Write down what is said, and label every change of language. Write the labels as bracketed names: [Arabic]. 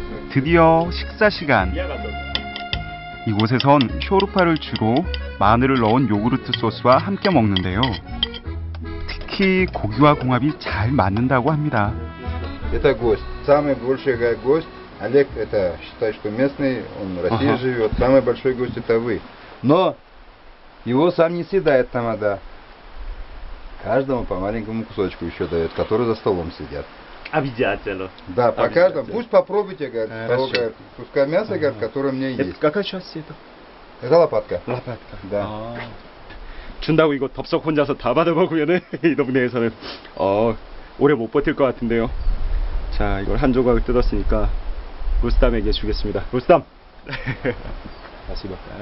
[Korean] 드디어 식사 시간. 이곳에선 쇼르파를 주로 마늘을 넣은 요구르트 소스와 함께 먹는데요. 특히 고기와 궁합이 잘 맞는다고 합니다. [Russian] Это гость. Самый большой гость, Олег, это считай, что местный, он в России живет. Самый большой гость это вы. Но его сам не съедает тамада. Каждому по маленькому кусочку еще дает, который за столом сидят. Обязательно. Да, по каждому. Пусть попробуйте, говорит, того, говорит, куска мяса, говорит, которое у меня есть. Это какая часть это? Это лопатка. Лопатка. Да. [Korean] 준다고 이거 덥석 혼자서 다 받아먹으면은 이 동네에서는 오래 못 버틸 것 같은데요. 자, 이걸 한 조각을 뜯었으니까 루스담에게 주겠습니다. 루스담. 다시 봐.